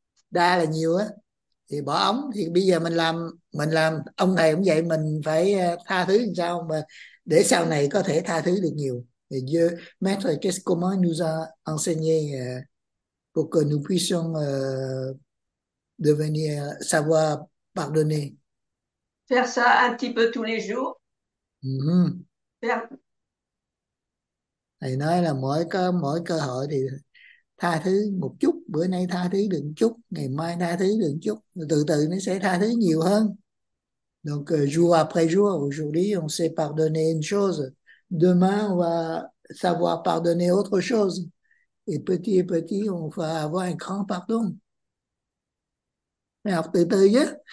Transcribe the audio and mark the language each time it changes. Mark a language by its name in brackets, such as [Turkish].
[Vietnamese] Đa là nhiều á thì bỏ ống thì bây giờ mình làm ông này cũng vậy mình phải tha thứ làm sao mà để sau này có thể tha thứ được nhiều thì như [French] maître qu'est-ce qu'on nous a enseigné pour que nous puissions devenir savoir pardonner Faire ça un petit peu tous les jours. Faire. [Vietnamese] Thầy nói là mỗi cơ hội thì tha thứ một chút [French] bữa nay tha thứ được một chút ngày mai tha thứ được một chút từ từ nó sẽ tha thứ nhiều hơn donc jour après jour aujourd'hui on sait pardonner une chose demain on va savoir pardonner autre chose et petit à petit on va avoir un grand pardon mais [Vietnamese] học từ từ nhé